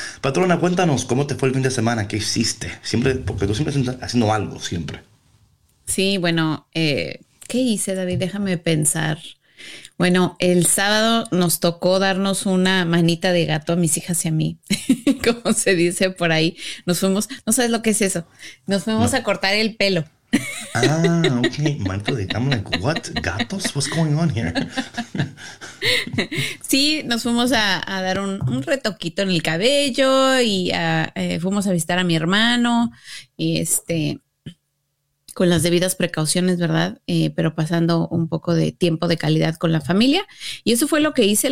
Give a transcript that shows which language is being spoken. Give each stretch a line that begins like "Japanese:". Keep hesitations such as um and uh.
Spanish: Patrona, cuéntanos cómo te fue el fin de semana, qué hiciste. Siempre, porque tú siempre estás haciendo algo, siempre. Sí, bueno, eh, ¿qué hice, David? Déjame pensar. Bueno, el sábado nos tocó darnos una manita de gato a mis hijas y a mí, como se dice por ahí. Nos fuimos, no sabes lo que es eso, nos fuimos no. a cortar el pelo.
English: ah, ok,
Spanish: manito de gato,
English: like, what, gatos, what's going on here?
Spanish: sí, nos fuimos a, a dar un, un, retoquito en el cabello y a, eh, fuimos a visitar a mi hermano y este con las debidas precauciones, ¿verdad? Eh, pero pasando un poco de tiempo de calidad con la familia. Y eso fue lo que hice.